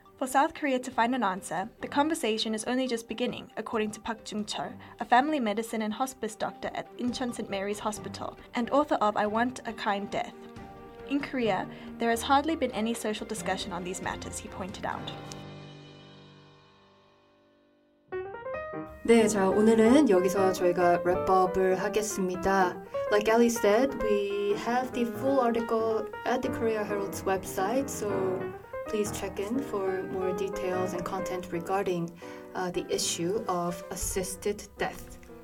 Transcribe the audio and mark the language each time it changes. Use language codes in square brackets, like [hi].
[en] For South Korea to find an answer, the conversation is only just beginning, according to Park Jung-chul, a family medicine and hospice doctor at Incheon St. Mary's Hospital and author of I Want a Kind Death. In Korea, there has hardly been any social discussion on these matters, he pointed out. [ko] 네, 자, 오늘은 여기서 저희가 랩업을 하겠습니다. [en] Like Ali said, we have the full article at the Korea Herald's website, so please check in for more details and content regarding the issue of assisted death.